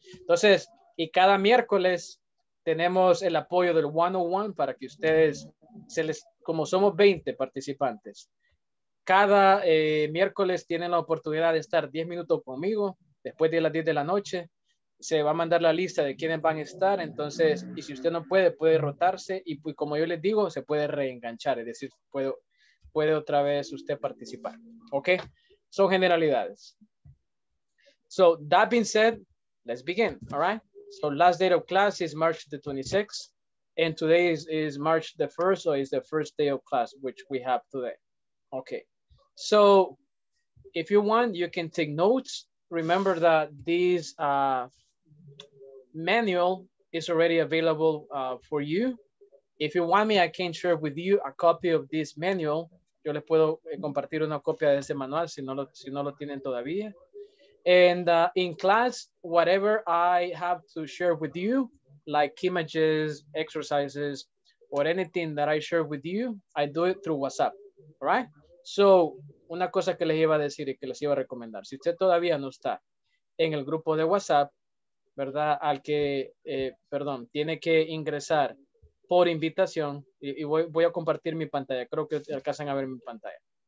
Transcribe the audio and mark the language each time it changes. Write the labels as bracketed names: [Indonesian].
[Spanish] Entonces, y cada miércoles tenemos el apoyo del 101 para que ustedes, como somos 20 participantes, cada miércoles tienen la oportunidad de estar 10 minutos conmigo después de las 10 de la noche. Se va a mandar la lista de quiénes van a estar, entonces, y si usted no puede, puede rotarse, y pues, como yo les digo, se puede reenganchar, es decir, puede otra vez usted participar, ¿ok? Son generalidades. [English] So, that being said, let's begin, all right? So, last day of class is March the 26th, and today is March the 1st, or is the first day of class, which we have today. Okay, so, if you want, you can take notes. Remember that these... manual is already available for you. If you want me, I can share with you a copy of this manual. [Spanish] Yo les puedo compartir una copia de ese manual si no lo tienen todavía. [English] And in class, whatever I have to share with you, like images, exercises, or anything that I share with you, I do it through WhatsApp, all right? So, [Spanish] una cosa que les iba a decir y que les iba a recomendar, si usted todavía no está en el grupo de WhatsApp, ¿verdad? Al que, perdón, tiene que ingresar por invitación. Y voy a compartir mi pantalla. Creo que alcanzan a ver mi pantalla.